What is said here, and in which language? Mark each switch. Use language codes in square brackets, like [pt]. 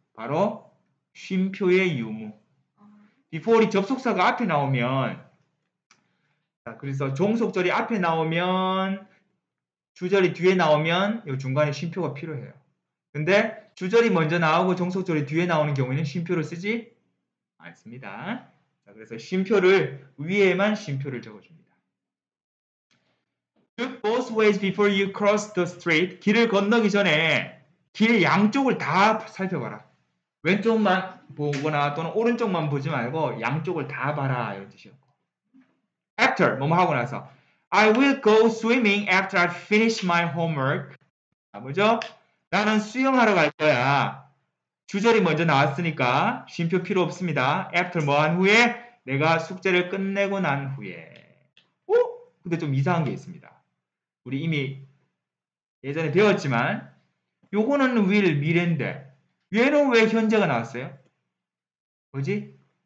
[ko] 바로 쉼표의 유무. before이 접속사가 앞에 나오면, 자, 그래서 종속절이 앞에 나오면, 주절이 뒤에 나오면, 요 중간에 쉼표가 필요해요. 근데 주절이 먼저 나오고 종속절이 뒤에 나오는 경우에는 쉼표를 쓰지 않습니다. 자, 그래서 쉼표를 위에만 쉼표를 적어줍니다. [en] Look both ways before you cross the street. [ko] 길을 건너기 전에 길 양쪽을 다 살펴봐라. 왼쪽만 보거나 또는 오른쪽만 보지 말고 양쪽을 다 봐라. 이런 뜻이었고. [en] After [ko] 뭐뭐 하고 나서 [en] I will go swimming after I finish my homework. [ko] 아, 뭐죠? 나는 수영하러 갈 거야. 주절이 먼저 나왔으니까 쉼표 필요 없습니다. After 뭐한 후에? 내가 숙제를 끝내고 난 후에. 오! 근데 좀 이상한 게 있습니다. 우리 이미 예전에 배웠지만 요거는 will 미래인데 얘는 왜 현재가 나왔어요? 뭐지?